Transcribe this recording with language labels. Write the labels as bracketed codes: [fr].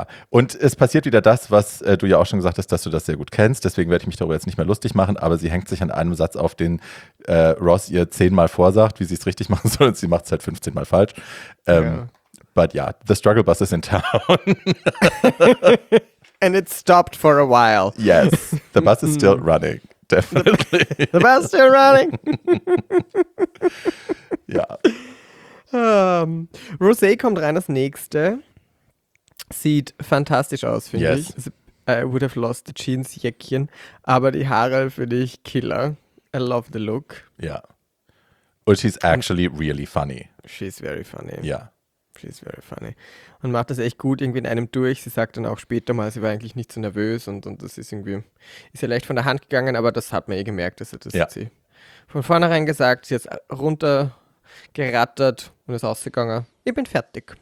[de] Und es passiert wieder das, was du ja auch schon gesagt hast, dass du das sehr gut kennst, deswegen werde ich mich darüber jetzt nicht mehr lustig machen, aber sie hängt sich an einem Satz auf, den Ross ihr 10-mal vorsagt, wie sie es richtig machen soll, und sie macht es halt 15-mal falsch. [en] The struggle bus is in town. And it stopped for a while. Yes, the bus is still running, definitely. The bus is still running. [de] Ja. Rosé kommt rein als Nächste. Sieht fantastisch aus, finde ich. [en] Yes. I would have lost the jeans, [de] Jäckchen. Aber die Haare finde ich killer. [en] I love the look. [de] Ja. Yeah. [en] And she's actually really funny. She's very funny. [de] Ja. Yeah. [en] She's very funny. [de] Und macht das echt gut irgendwie in einem durch. Sie sagt dann auch später mal, sie war eigentlich nicht so nervös und das ist irgendwie, ist ja leicht von der Hand gegangen, aber das hat man eh gemerkt, dass also das hat sie von vornherein gesagt, sie ist runtergerattert und ist ausgegangen. Ich bin fertig.